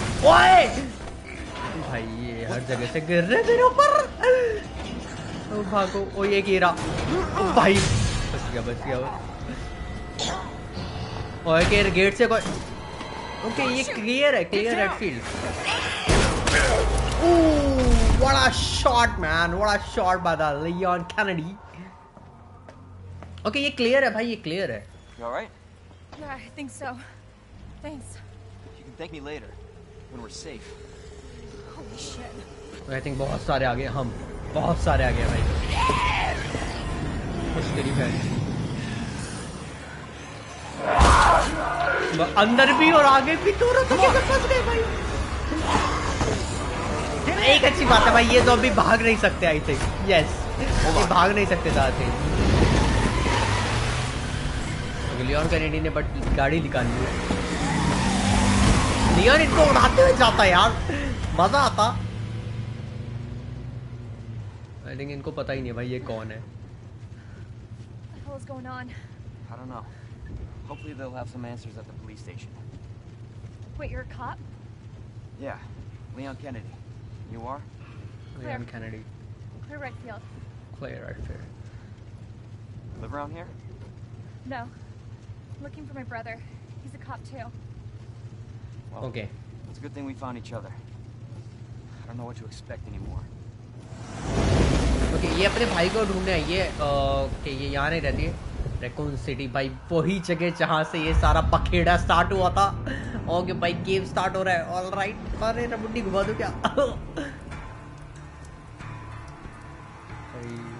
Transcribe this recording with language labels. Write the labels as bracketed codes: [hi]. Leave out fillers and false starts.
[hi] ओए भाई ये हर जगह से गिर रहे तेरे ऊपर. ओ भागो. ओ ये गिरा भाई, बच गया बच गया. ओए के गेट से कोई. ओके ये क्लियर है, clear Redfield. [en] What a shot, man! What a shot by that Leon Kennedy. Okay, [hi] ये clear है भाई, ये clear है. [en] You all right? Yeah, I think so. Thanks. You can thank me later when we're safe. Holy shit! I think [hi] बहुत सारे आ गए हम, बहुत सारे आ गए भाई. कुछ तेरी बहन. अंदर भी और आगे भी दोनों तो कैसे फंस गए भाई? एक अच्छी बात है भाई, ये ज़ॉम्बी भाग नहीं सकते [en] I think. Yes [hi] ये भाग नहीं सकते था थे. लियोन कैनेडी ने बट गाड़ी निकाल ली. लियोन इनको उड़ाते हुए जाता यार, मजा आता. [en] I think [hi] इनको पता ही नहीं भाई ये कौन है. [en] What's going on? I don't know. Hopefully they'll have some answers at the police station. Wait, you're a cop? Yeah, Leon Kennedy. You are? Claire. Leon Kennedy. Claire Redfield. Claire Redfield. Live around here? No. I'm looking for my brother. He's a cop too. Well, okay. It's a good thing we found each other. I don't know what to expect anymore. [hi] Okay, ये अपने भाई को ढूंढने आई है. Okay ये यहाँ नहीं रहती है. रेकून सिटी भाई, वही जगह जहाँ से ये सारा पखेड़ा स्टार्ट हुआ था. ओके भाई गेम स्टार्ट हो रहा है. [en] all right [hi] अरे रबुंडी घुमा दो क्या भाई.